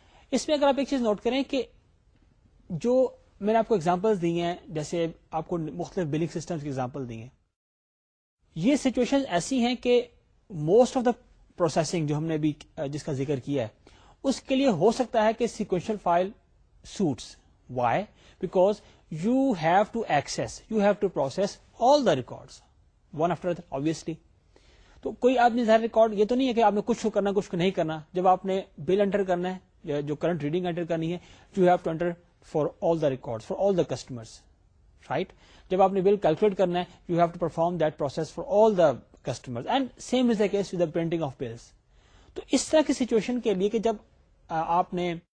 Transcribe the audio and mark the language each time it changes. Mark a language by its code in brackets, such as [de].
[ur] اس میں اگر آپ ایک چیز نوٹ کریں کہ جو میں نے آپ کو ایگزامپلس دی ہیں, جیسے آپ کو مختلف بلنگ سسٹمز کی ایگزامپل دی ہیں, یہ سچویشن ایسی ہیں کہ [en] most of the processing [ur] جو ہم نے بھی جس کا ذکر کیا ہے اس کے لیے ہو سکتا ہے کہ sequential file suits. [en] Why? Because you have to access, you have to process all the records one after other, obviously. [ur] تو کوئی آپ نے ظاہر ریکارڈ یہ تو نہیں ہے کہ آپ نے کچھ کرنا کچھ نہیں کرنا. جب آپ نے بل انٹر کرنا ہے جو کرنٹ ریڈنگ انٹر کرنی ہے [en] you have to enter for all the records for all the customers right [ur] جب آپ نے بل کیلکولیٹ کرنا ہے [en] you have to perform that process for all the customers and same is the case with the printing of bills [ur] تو اس طرح کی situation کے لیے کہ جب آپ نے